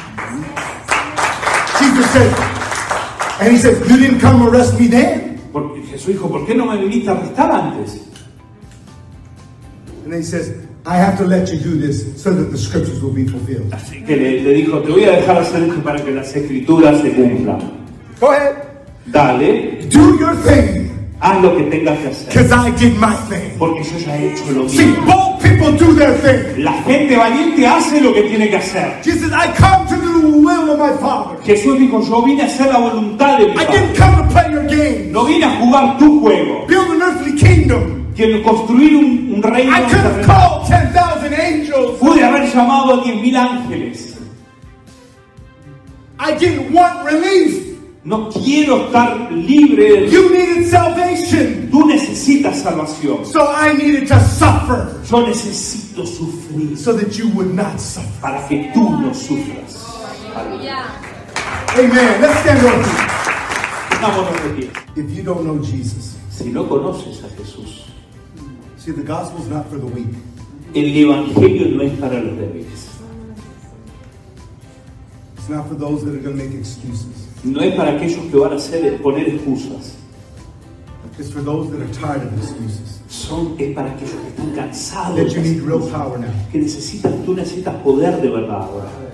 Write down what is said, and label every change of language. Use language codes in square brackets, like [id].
[en] Jesus said, and he says, "You didn't come arrest me then." [es] Porque Jesús dijo, ¿por qué no me viniste a arrestar antes? [en] And he says, "I have to let you do this so that the scriptures will be fulfilled." [es] Así que le dijo, te voy a dejar hacer esto para que las escrituras se cumplan. [en] Go ahead. [es] Dale. [en] Do your thing. [es] Haz lo que tengas que hacer. [en] Because I did my thing. [es] Porque yo ya he hecho lo mío. [en] See, bold people do their thing. [es] La gente valiente hace lo que tiene que hacer. [en] Jesus, I come to do the will of my Father. [es] Jesús dijo, yo vine a hacer la voluntad de mi Padre. [en] I didn't come to play your game. [es] No vine a jugar tu juego. [en] Build an earthly kingdom. [es] Quiero construir un reino. [en] I could have called 10,000 angels. [es] Pude haber llamado a 10,000 ángeles. [en] I didn't want relief. [es] No quiero estar libre. [en] You needed salvation. [es] Tú necesitas salvación. [en] So I needed to suffer. [es] Yo necesito sufrir. [en] So that you would not suffer. [es] Para que tú no sufras. [en] Yeah. Amen. Let's stand on [es] this. Vamos a repetir. [en] If you don't know Jesus. [es] Si no conoces a Jesús. [en] See, the gospel is not for the weak. [es] El evangelio no es para los débiles. [en] It's not for those that are going to make excuses. [es] No es para aquellos que van a hacer poner excusas. [en] It's for those that are tired of excuses. [es] Son es para aquellos que están cansados. [en] That you need real power now. [es] Que necesitas, tú necesitas poder de verdad ahora.